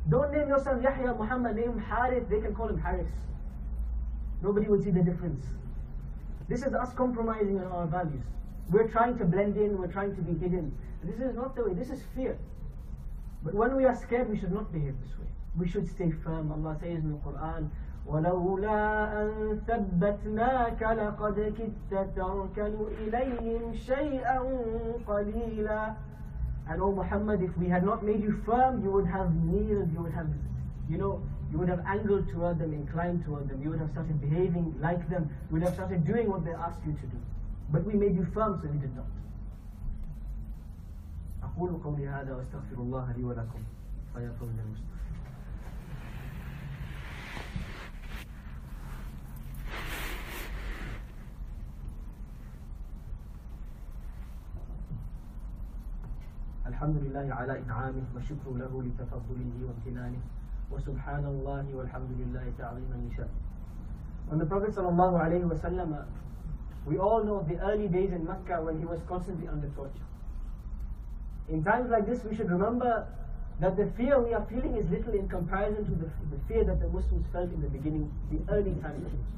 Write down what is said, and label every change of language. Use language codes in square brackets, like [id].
[en] Don't name yourself Yahya, Muhammad, name Harith, they can call him Harris. Nobody will see the difference. This is us compromising on our values. We're trying to blend in, we're trying to be hidden. This is not the way, this is fear. But when we are scared, we should not behave this way. We should stay firm. Allah says in the Quran, [ar] ولولا أن ثبتناك لقد كدت تركن إليهم شيئا قليلا. [en] And oh Muhammad, if we had not made you firm, you would have kneeled, you would have, you know, you would have angled toward them, inclined toward them, you would have started behaving like them, you would have started doing what they asked you to do. But we made you firm, so we did not. [ar] أقول قولي هذا واستغفر الله لي ولكم فيغفر لي المستغفر. الحمد لله على إنعامه والشكر له لتفضله وامتنانه وسبحان الله والحمد لله تعظيما لشأنه. [en] When the Prophet sallallahu alayhi wa sallam, we all know the early days in Mecca when he was constantly under torture. In times like this, we should remember that the fear we are feeling is little in comparison to the fear that the Muslims felt in the beginning, the early times.